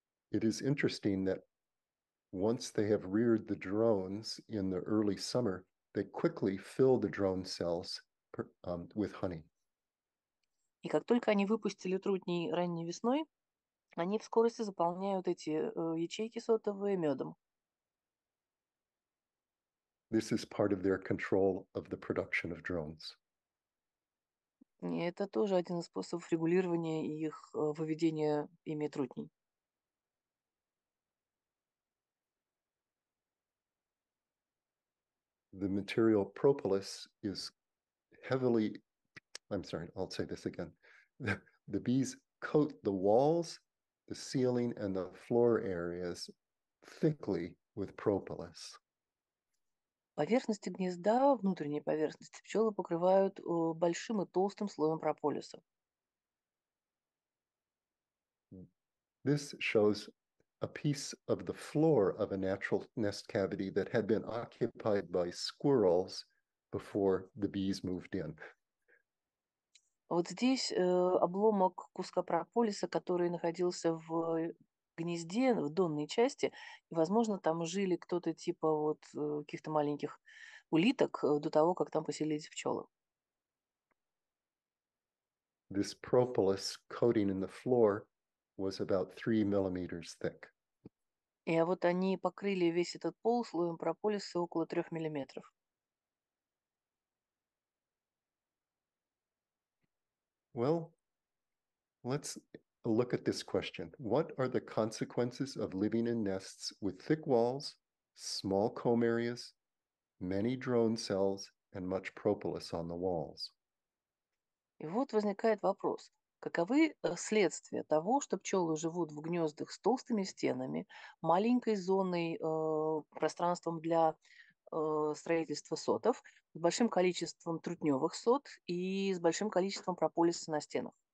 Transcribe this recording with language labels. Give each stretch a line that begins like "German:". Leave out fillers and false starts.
English: It is interesting that once they have reared the drones in the early summer, they quickly fill the drone cells with honey.
Russian: И как только они выпустили трутней ранней весной, они в скорости заполняют эти ячейки сотовые медом.
English: This is part of their control of the production of drones.
Russian: И это тоже один из способов регулирования их выведения ими трутней.
English: The material propolis is heavily, I'm sorry, I'll say this again. The bees coat the walls, the ceiling, and the floor areas thickly with propolis.
Russian: Поверхности гнезда, внутренние поверхности пчелы покрывают большим и толстым слоем прополиса.
English: This shows a piece of the floor of a natural nest cavity that had been occupied by squirrels before the bees moved in.
Russian: Вот здесь обломок куска прополиса, который находился в гнезде, в донной части. И, возможно, там жили кто-то типа вот каких-то маленьких улиток до того, как там поселились пчелы.
English: This propolis coating in the floor was about 3 millimeters thick.
Russian: И вот они покрыли весь этот пол слоем прополиса около 3 миллиметров.
English: Well, let's look at this question. What are the consequences of living in nests with thick walls, small comb areas, many drone cells, and much propolis on the walls?
Russian: И вот возникает вопрос. Каковы следствия того, что пчелы живут в гнездах с толстыми стенами, маленькой зоной, пространством для строительства сотов, с большим количеством трутневых сот и с большим количеством прополиса на стенах?